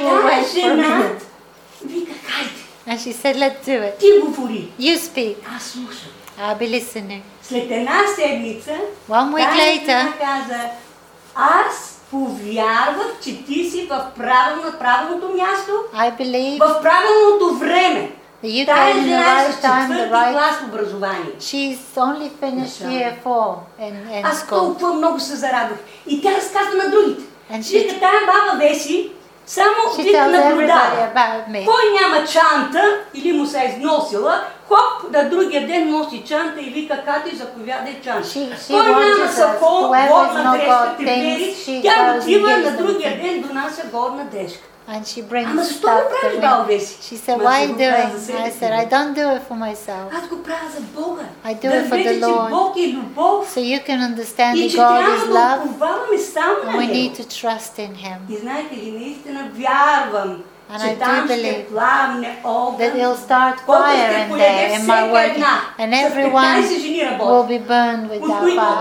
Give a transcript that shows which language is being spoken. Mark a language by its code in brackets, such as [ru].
[en] will wait for a minute. [bg] Вика, хайде. [en] And she said, let's do it. [bg] Ти говори. [en] You speak. [bg] Аз слушам. [en] I'll be listening. [bg] След една седмица, [en] one week later, [bg] каза, аз повярвах, че ти си в правилното място, [en] I believe, [bg] в правилното време. [en] You came in the right time, the right [bg] клас образование. [en] She's only finished year 4 in [bg] аз Аз толкова много се зарадвах. И тя разказва на другите. Вижте, тая баба Веси, само вижте наблюдава. Кой няма чанта или му се е износила, хоп, на другия ден носи чанта и вика, Кати, заповядай чанта. Кой няма сако, горна дрешка, те бери, тя отива на другия ден, донася горна дрешка. [en] And she brings [bg] ама защо го правиш, баба Веси? [en] She said, why are you doing? I said, I don't do it for myself. [bg] Аз го правя за Бога. [en] I do it for the Lord. [bg] Бог е любов. [en] So you can understand that God is love. [bg] И че трябва да уповаваме само на Него. [en] We need to trust in Him. [bg] И знаете ли, наистина вярвам, [en] and I do believe that it'll start fire in there, in my work. And everyone will be burned with that fire.